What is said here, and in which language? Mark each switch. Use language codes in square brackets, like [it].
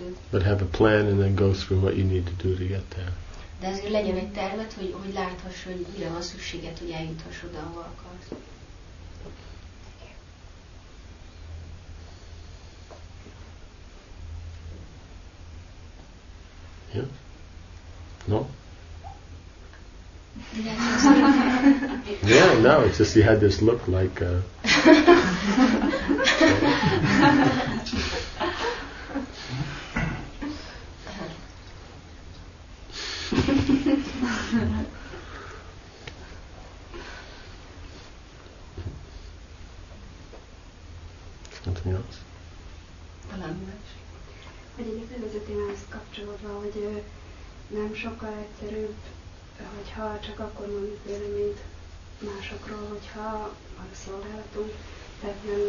[en] But have a plan and then go through what you need to do to get there. [hu] De azért legyen egy tervet, hogy hogy láthass, hogy mire van szükséged, hogy eljuthass oda, ahova akarsz. [en] Yeah. No. Yeah, no, it's just you had this look like something else. [hu] Hogy egy különböző témához kapcsolódva, hogy nem sokkal egyszerűbb, hogyha csak akkor mondjuk véleményt másokról, hogyha van a szolgálatunk, tehát